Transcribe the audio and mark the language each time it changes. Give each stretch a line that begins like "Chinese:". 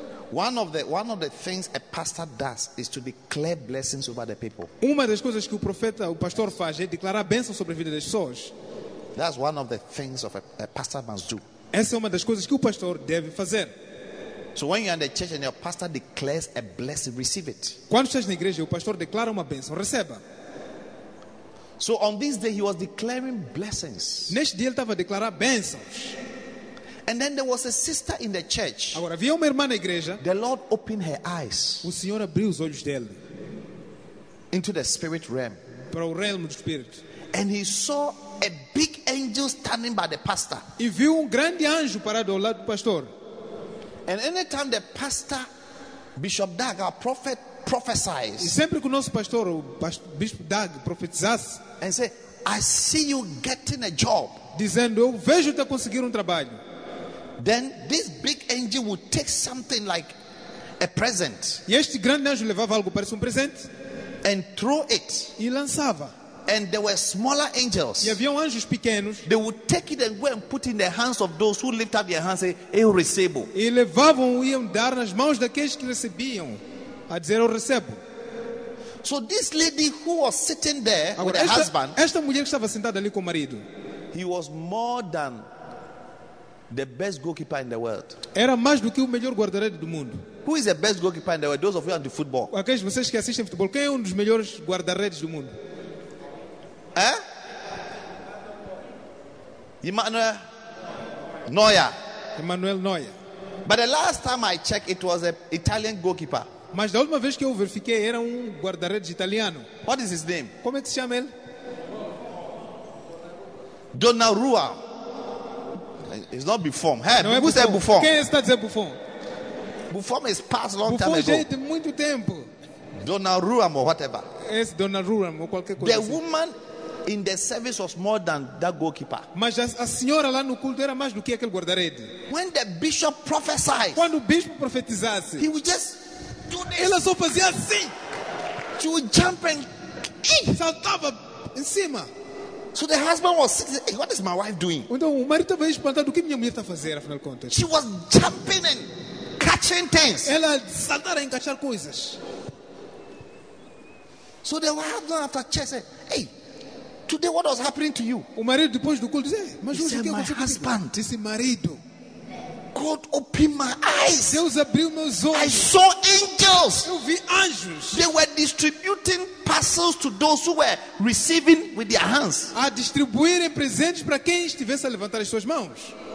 English: One of the things a pastor does is to declare blessings over the people.
Portuguese: Uma das coisas que o pastor faz é declarar bênçãos sobre a vida das pessoas.
English: That's one of the things of a pastor must do.
Portuguese: Essa é uma das coisas que o pastor deve fazer.
English: So when you are in the church and your pastor declares a blessing, receive it.
Portuguese: Quando estás na igreja, o pastor declara uma bênção, receba.
English: So on this day he was declaring blessings.
Portuguese: Neste dia ele estava a declarar bênçãos.
English: And then there was a sister in the church.
Portuguese: Agora havia uma irmã na igreja.
English: The Lord opened her eyes.
Portuguese: O Senhor abriu os olhos dela.
English: Into the spirit realm.
Portuguese: Para o reino do espírito.
English: And he saw a big angel standing by the pastor.
Portuguese: E viu grande anjo parado ao lado do pastor.
English: And anytime the pastor, Bishop Doug, our prophet, prophesies.
Portuguese: E sempre que o nosso pastor, Bishop Doug, profetizasse.
English: And say, I see you getting a job.
Portuguese: Dizendo, eu vejo-te a conseguir trabalho.
English: Then this big angel would take something like a present.
Portuguese: E este grande anjo levava algo, parece presente.
English: And throw it.
Portuguese: E lançava.
English: And there were smaller angels.
Portuguese: E havia anjos pequenos.
English: They would take it and go and put it in the hands of those who lift up their hands and say,
Portuguese: eu recebo. E levavam e iam dar nas mãos daqueles que recebiam, a dizer, eu recebo.
English: So this lady who was sitting there
Portuguese: agora,
English: with her husband,
Portuguese: esta mulher que estava sentada ali com o marido,
English: he was more than the best goalkeeper in the world.
Portuguese: Era mais do que o melhor guarda-redes do mundo.
English: Who is the best goalkeeper in the world? Those of you who are into football.
Portuguese: Aqueles vocês que assistem futebol, quem é dos melhores guarda-redes do mundo?
English: Emmanuel Noia.
Portuguese: Emmanuel Noia.
English: But the last time I checked, it was an Italian goalkeeper.
Portuguese: Mas da última vez que eu verifiquei, era guarda-redes italiano.
English: What is his name?
Portuguese: Como é que se chama ele?
English: Donnarumma. It's not Buffon. Hey,
Portuguese: não é
English: Buffon. Who
Portuguese: Buffon? Quem está a dizer Buffon?
English: Buffon is passed long
Portuguese: Buffon
English: time ago.
Portuguese: Buffon já é de muito tempo.
English: Donnarumma or whatever.
Portuguese: É Donnarumma ou qualquer coisa.
English: The
Portuguese: assim.
English: Woman in the service was more than that goalkeeper.
Portuguese: Mas a senhora lá no culto era mais do que aquele guarda-rede.
English: When the bishop prophesied,
Portuguese: quando o bispo profetizasse,
English: he would just do this.
Portuguese: Ela só fazia assim.
English: She would jump and
Portuguese: saltava em cima.
English: So the husband was sitting, hey, what is my wife doing?
Portuguese: Então o marido estava espantado, o que minha mulher está a fazer, afinal de contas?
English: She was jumping and catching things.
Portuguese: Ela saltava a encaixar coisas.
English: So the husband after church said, hey, today what was happening to you?
Portuguese: O marido depois do culto disse, mas hoje o que aconteceu?
English: My husband,
Portuguese: disse marido,
English: God opened my eyes.
Portuguese: Deus abriu meus olhos.
English: I saw angels.
Portuguese: Eu vi anjos.
English: They were distributing parcels to those who were receiving with their hands.
Portuguese: A distribuírem presentes para quem estivesse a levantar as suas mãos.